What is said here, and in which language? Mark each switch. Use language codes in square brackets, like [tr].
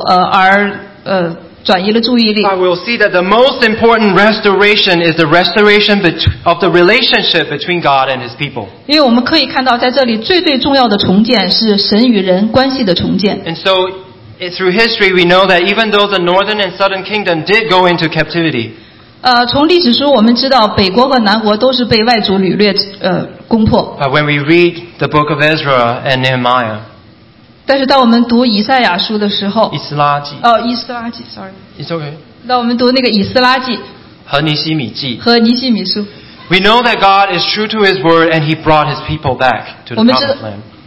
[zh] 让我们不要为这些物质上的丰富而转移了注意力。 [en] But we'll see that the most important restoration is the restoration of the relationship between God and His people. [zh] 因为我们可以看到，在这里最最重要的重建是神与人关系的重建。 [en] And so. Through history, we know that even though the northern and southern kingdom did go into captivity, [zh] 从历史书我们知道北国和南国都是被外族掳掠攻破。 [en] But when we read the book of Ezra and Nehemiah, [zh] 但是当我们读以赛亚书的时候, 以斯拉记, [en] it's okay. [zh] 当我们读那个以斯拉记和尼希米书, [en] we know that God is true to His word, and He brought His people back to the promised land.